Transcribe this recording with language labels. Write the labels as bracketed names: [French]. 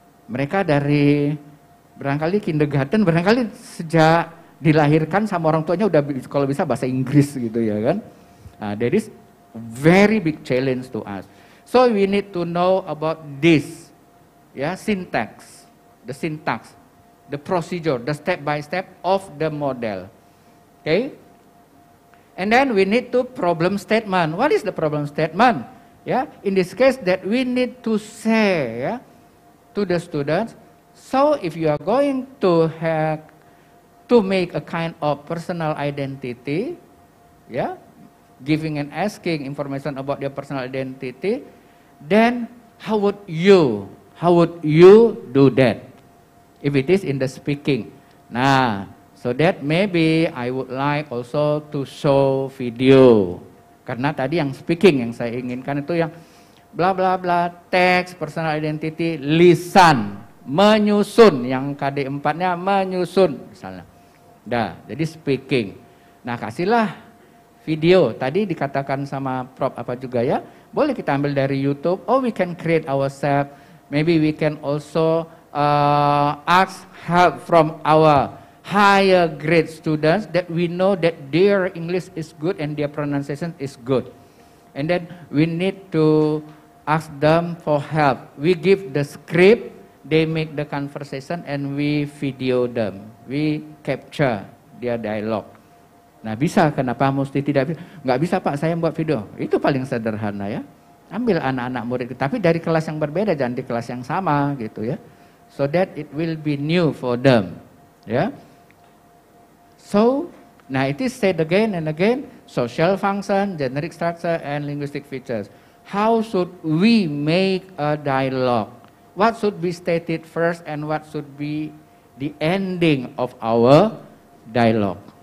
[Indonesian] Mereka dari barangkali kindergarten, barangkali sejak dilahirkan sama orang tuanya udah kalau bisa bahasa Inggris gitu ya kan. [English] Nah, that is very big challenge to us. So we need to know about this, ya, syntax, the procedure, the step by step of the model, okay? And then we need to problem statement. What is the problem statement? Yeah, in this case that we need to say, yeah, to the students. So if you are going to have to make a kind of personal identity, yeah, giving and asking information about your personal identity, then how would you do that? If it is in the speaking. Nah, so that maybe I would like also to show video. [Indonesian] Karena tadi yang speaking yang saya inginkan itu yang bla bla bla, teks, personal identity, lisan, menyusun, yang KD4-nya menyusun misalnya. Dah, jadi speaking. Nah, kasihlah video. Tadi dikatakan sama Prof apa juga ya. Boleh kita ambil dari YouTube. [English] Oh, we can create ourselves. Maybe we can also ask help from our higher grade students that we know that their English is good and their pronunciation is good. And then we need to ask them for help. We give the script, they make the conversation and we video them. We capture their dialogue. [Indonesian] Nah, bisa, kenapa mesti tidak bisa? Enggak bisa Pak, saya buat video. Itu paling sederhana ya. Ambil anak-anak murid, tapi dari kelas yang berbeda, jangan di kelas yang sama gitu ya. [English] So that it will be new for them. Ya. Yeah. So, now it is said again and again, social function, generic structure, and linguistic features. How should we make a dialogue? What should be stated first and what should be the ending of our dialogue?